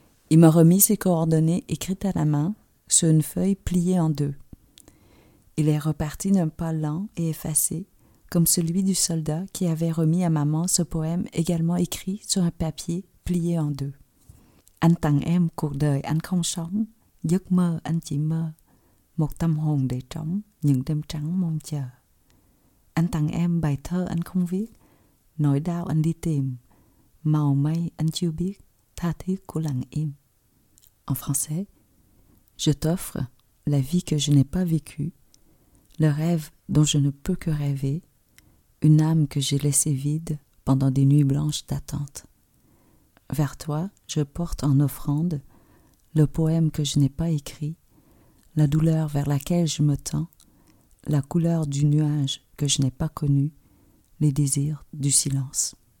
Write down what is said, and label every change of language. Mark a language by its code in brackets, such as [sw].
[fr] Il m'a remis ses coordonnées écrites à la main sur une feuille pliée en deux. Il est reparti d'un pas lent et effacé, comme celui du soldat qui avait remis à maman ce poème également écrit sur un papier plié en deux. [vi] An tang em cuộc đời anh không sống, giấc mơ anh chỉ mơ, một tâm hồn để trống những đêm trắng mong chờ. An tang em bài thơ anh không viết. Nỗi đau anh đi tìm, màu mây anh chưa biết, tha thiết của lặng im. [fr] En français, je t'offre la vie que je n'ai pas vécue, le rêve dont je ne peux que rêver, une âme que j'ai laissée vide pendant des nuits blanches d'attente. Vers toi, je porte en offrande le poème que je n'ai pas écrit, la douleur vers laquelle je me tends, la couleur du nuage que je n'ai pas connu, les désirs du silence.